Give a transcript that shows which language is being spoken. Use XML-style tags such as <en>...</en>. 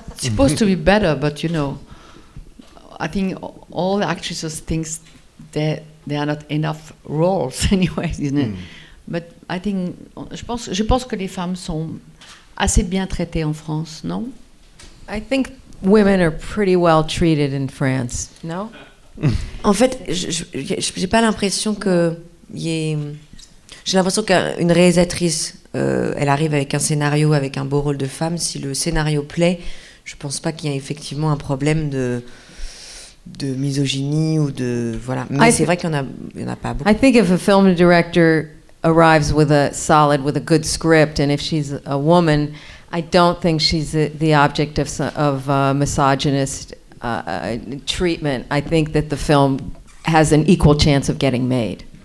<en>It's supposed to be better, but you know, I think all the actresses think that there are not enough roles anyway, isn't it? But I think,</en> <fr>je pense que les femmes sont assez bien traitées en France, non?</fr> <en>I think women are pretty well treated in France, no?</en> <fr>En fait, j'ai pas l'impression que y ait... J'ai l'impression qu'une réalisatrice, elle arrive avec un scénario, avec un beau rôle de femme, si le scénario plaît, je pense pas qu'il y ait effectivement un problème de misogynie ou de... Voilà. Mais c'est vrai qu'il y en a pas beaucoup.</fr> <en>I think if a film director arrives with a good script, and if she's a woman, I don't think she's the object of misogynist treatment. I think that the film has an equal chance of getting made.</en>